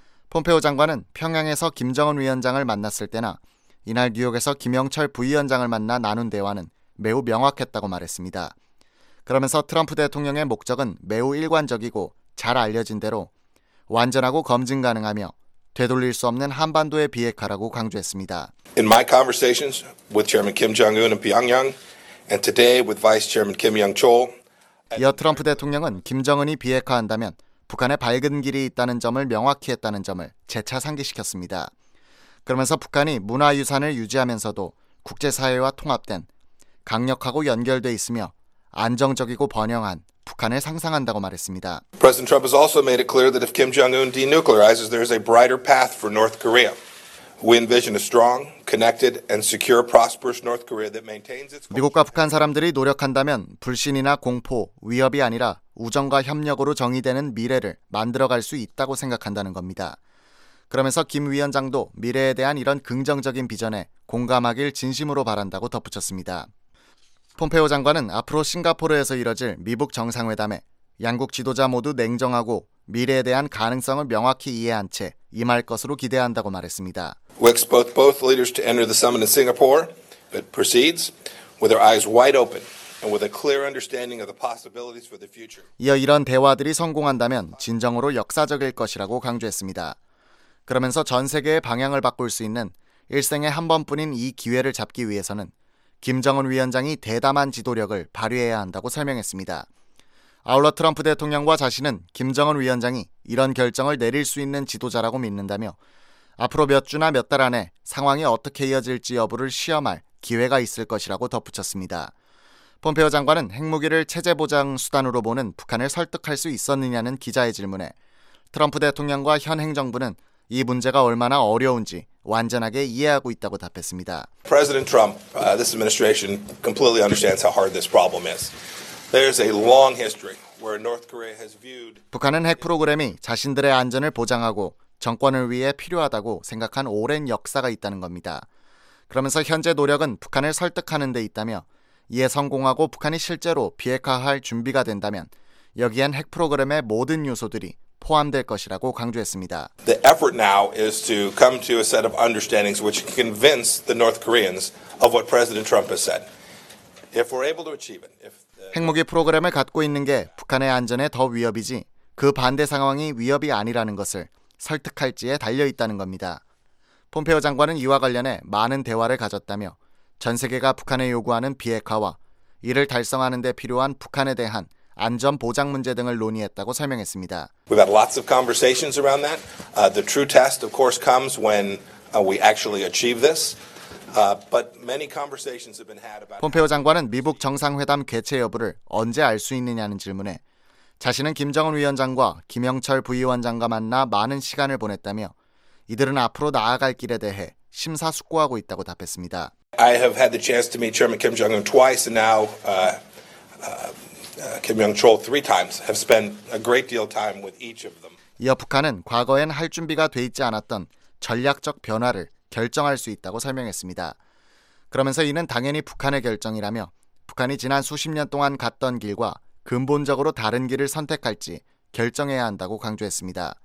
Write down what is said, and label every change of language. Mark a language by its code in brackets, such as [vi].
[ko] 폼페오 장관은 평양에서 김정은 위원장을 만났을 때나 이날 뉴욕에서 김영철 부위원장을 만나 나눈 대화는 매우 명확했다고 말했습니다. 그러면서 트럼프 대통령의 목적은 매우 일관적이고 잘 알려진 대로 완전하고 검증 가능하며 되돌릴 수 없는 한반도의 비핵화라고 강조했습니다. [en] In my conversations with Chairman Kim Jong-un in Pyongyang and today with Vice Chairman Kim Young-chol, [ko] 이어 트럼프 대통령은 김정은이 비핵화한다면 북한의 밝은 길이 있다는 점을 명확히 했다는 점을 재차 상기시켰습니다. 그러면서 북한이 문화유산을 유지하면서도 국제사회와 통합된 강력하고 연결돼 있으며 안정적이고 번영한 북한을 상상한다고 말했습니다. [en] President Trump has also made it clear that if Kim Jong-un denuclearizes, there is a brighter path for North Korea. We envision a strong, connected, and secure, prosperous North Korea that maintains its. [ko] 미국과 북한 사람들이 노력한다면 불신이나 공포, 위협이 아니라 우정과 협력으로 정의되는 미래를 만들어갈 수 있다고 생각한다는 겁니다. 그러면서 김 위원장도 미래에 대한 이런 긍정적인 비전에 공감하길 진심으로 바란다고 덧붙였습니다. 폼페오 장관은 앞으로 싱가포르에서 이뤄질 미북 정상회담에 양국 지도자 모두 냉정하고 미래에 대한 가능성을 명확히 이해한 채 임할 것으로 기대한다고 말했습니다. [en] We expect both leaders to enter the summit in Singapore, but proceeds with their eyes wide open and with a clear understanding of the possibilities for the future. [ko] 이어 이런 대화들이 성공한다면 진정으로 역사적일 것이라고 강조했습니다. 그러면서 전 세계의 방향을 바꿀 수 있는 일생에 한 번뿐인 이 기회를 잡기 위해서는 김정은 위원장이 대담한 지도력을 발휘해야 한다고 설명했습니다. 아울러 트럼프 대통령과 자신은 김정은 위원장이 이런 결정을 내릴 수 있는 지도자라고 믿는다며 앞으로 몇 주나 몇 달 안에 상황이 어떻게 이어질지 여부를 시험할 기회가 있을 것이라고 덧붙였습니다. 폼페오 장관은 핵무기를 체제 보장 수단으로 보는 북한을 설득할 수 있었느냐는 기자의 질문에 트럼프 대통령과 현 행정부는 이 문제가 얼마나 어려운지 완전하게 이해하고 있다고 답했습니다. [en] President Trump, this administration completely understands how hard this problem is. There's a long history where North Korea has viewed [ko] 북한은 핵 프로그램이 자신들의 안전을 보장하고 정권을 위해 필요하다고 생각한 오랜 역사가 있다는 겁니다. 그러면서 현재 노력은 북한을 설득하는 데 있다며 이에 성공하고 북한이 실제로 비핵화할 준비가 된다면 여기엔 핵 프로그램의 모든 요소들이 포함될 것이라고 강조했습니다. [en] The effort now is to come to a set of understandings which convince the North Koreans of what President Trump has said. If we're able to achieve it, if [ko] 핵무기 프로그램을 갖고 있는 게 북한의 안전에 더 위협이지 그 반대 상황이 위협이 아니라는 것을 설득할지에 달려 있다는 겁니다. 폼페오 장관은 이와 관련해 많은 대화를 가졌다며 전 세계가 북한에 요구하는 비핵화와 이를 달성하는 데 필요한 북한에 대한 안전 보장 문제 등을 논의했다고 설명했습니다. [en] We've had lots of conversations around that. The true test, of course, comes when we actually achieve this. But many conversations have been had about. [ko] 폼페오 장관은 미북 정상회담 개최 여부를 언제 알 수 있느냐는 질문에 자신은 김정은 위원장과 김영철 부위원장과 만나 많은 시간을 보냈다며 이들은 앞으로 나아갈 길에 대해 심사숙고하고 있다고 답했습니다. [en] I have had the chance to meet Chairman Kim Jong-un twice and now Kim Young-chol three times have spent a great deal of time with each of them. [ko] 이어 북한은 과거엔 할 준비가 돼 있지 않았던 전략적 변화를 결정할 수 있다고 설명했습니다. 그러면서 이는 당연히 북한의 결정이라며 북한이 지난 수십 년 동안 갔던 길과 근본적으로 다른 길을 선택할지 결정해야 한다고 강조했습니다.